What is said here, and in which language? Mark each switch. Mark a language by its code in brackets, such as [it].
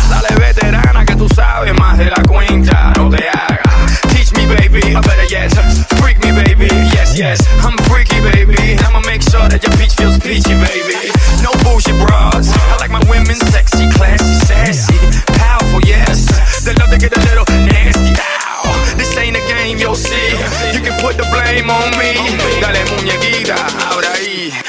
[es] Dale veterana que tú sabes más de la cuenta, no te hagas. [en] Teach me, baby, a better yes. Freak me, baby, yes, yes. I'm freaky, baby. I'ma make sure that your peach feels peachy, baby. No bullshit bras. I like my women sexy, classy, sassy. Powerful, yes. They love to get a little nasty. Ow. This ain't a game, you'll see. You can put the blame on me. [es] Dale muñequita, ahora ahí.